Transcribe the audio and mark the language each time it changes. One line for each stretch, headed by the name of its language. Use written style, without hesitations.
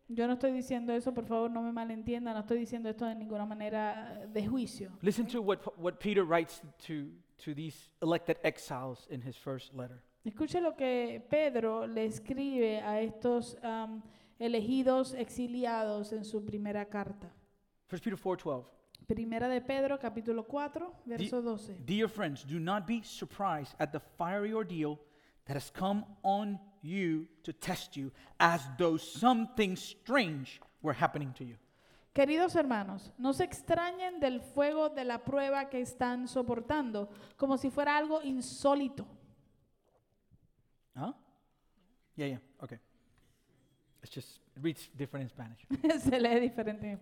Spanish: Yo no estoy diciendo eso, por favor, no me malentiendan. No estoy diciendo esto de ninguna manera de juicio.
English: Listen to what Peter writes to these elected exiles in his first letter.
Spanish: Escuche lo que Pedro le escribe a estos elegidos exiliados en su primera carta.
English: 1 Peter 4:12.
Spanish: Primera de Pedro, capítulo 4, verso 12.
English: Dear friends, do not be surprised at the fiery ordeal that has come on you to test you as though something strange were happening to you.
Spanish: Queridos hermanos, no se extrañen del fuego de la prueba que están soportando como si fuera algo insólito.
English: Huh? Yeah, okay. It's just, it reads different in Spanish.
Spanish: Se lee diferente en español.